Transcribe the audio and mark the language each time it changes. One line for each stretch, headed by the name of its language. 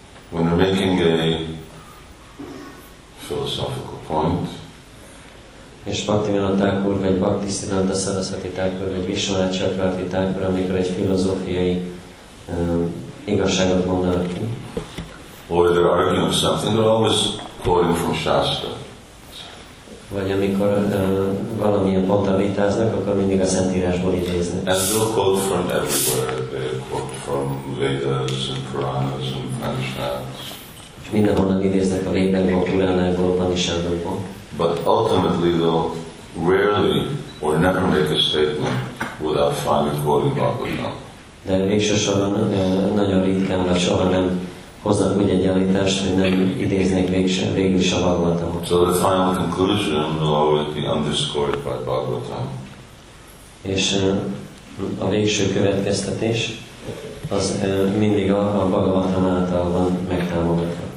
English: When you're making a philosophical point,
Hungarian: és Bhaktivinoda Thakur, vagy Bhakti Samprasad Thakur, vagy Vishwanatha Chakravarti Thakur, amikor egy filozófiai igazságot mondanak ki.
English: Or they're arguing something, they're always quoting from Shastra.
Hungarian: Vagy amikor valamilyen ponttal vitáznak, akkor mindig a Szentírásból idéznek.
English: And they'll quote from everywhere. They quote from Vedas and Puranas and Upanishads.
Hungarian: És mindenhonnan idéznek a Védákból, Puranákból, Upanishadokból.
English: But ultimately they'll rarely or never make a statement without finally quoting Bhagavatam.
Hungarian: De végsősorban nagyon ritkán, vagy soha nem hoznak úgy egy állítást, hogy nem idéznek végül is a Bhagavatamot.
English: So the final conclusion will always be underscored by Bhagavatam.
Hungarian: És a végső következtetés az mindig a Bhagavatam által van megtámogatva.